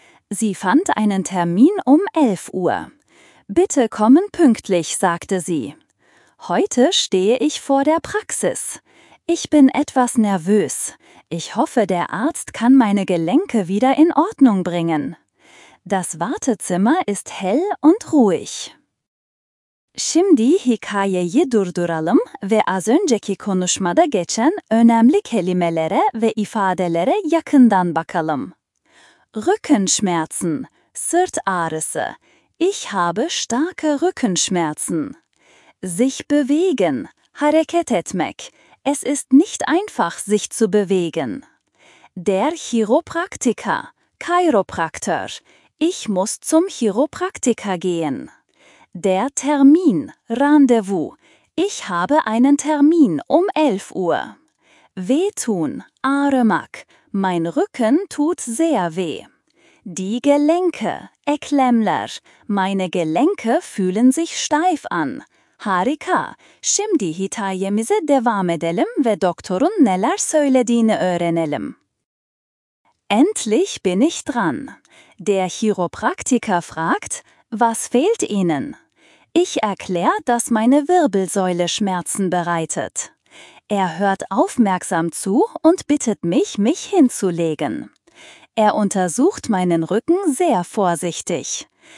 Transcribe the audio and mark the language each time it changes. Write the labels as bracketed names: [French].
[German] Sie fand einen Termin um 11 Uhr. Bitte kommen pünktlich, sagte sie. Heute stehe ich vor der Praxis. Ich bin etwas nervös. Ich hoffe, der Arzt kann meine Gelenke wieder in Ordnung bringen. Das Wartezimmer ist hell und ruhig. [Turkish] Şimdi hikayeyi durduralım ve az önceki konuşmada geçen önemli kelimelere ve ifadelere yakından bakalım. Rückenschmerzen, sırt ağrısı. [German] Ich habe starke Rückenschmerzen. Sich bewegen, [Turkish] hareket etmek. [German] Es ist nicht einfach, sich zu bewegen. Der Chiropraktiker, Chiropraktor. Ich muss zum Chiropraktiker gehen. Der Termin, Rendezvous. Ich habe einen Termin um 11 Uhr. Wehtun, aremak. Mein Rücken tut sehr weh. Die Gelenke, eklemler. Meine Gelenke fühlen sich steif an. [Turkish] Harika. Şimdi hikayemize devam edelim ve doktorun neler söylediğini öğrenelim. [German] Endlich bin ich dran. Der Chiropraktiker fragt, was fehlt Ihnen? Ich erkläre, dass meine Wirbelsäule Schmerzen bereitet. Er hört aufmerksam zu und bittet mich, mich hinzulegen. Er untersucht meinen Rücken sehr vorsichtig.